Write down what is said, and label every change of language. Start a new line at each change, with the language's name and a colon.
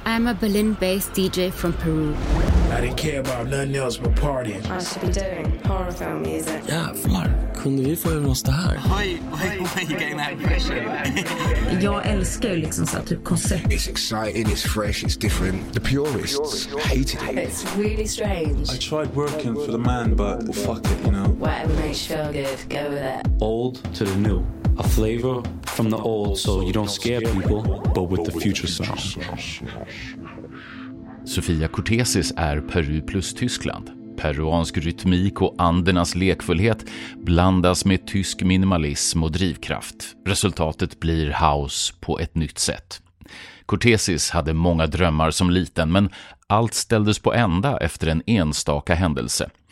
English: I'm a Berlin-based DJ from Peru. I didn't care about nothing else but partying. I should be doing horror film music.
Swedish: Yeah, Mark, kunde vi få göra något här?
English: Why you getting that impression?
Swedish: Jag älskar liksom så typ koncept.
English: It's exciting, it's fresh, it's different. The purists hated it. It's really strange. I tried working for the man, but well, fuck it, you know. Whatever makes you feel good, go with it. Old to the new. A flavor from the old, so you don't scare people, but with the future sound.
Swedish: Sofia Cortesis är Peru plus Tyskland. Peruansk rytmik och andernas lekfullhet blandas med tysk minimalism och drivkraft. Resultatet blir house på ett nytt sätt. Cortesis hade många drömmar som liten, men allt ställdes på ända efter en enstaka händelse.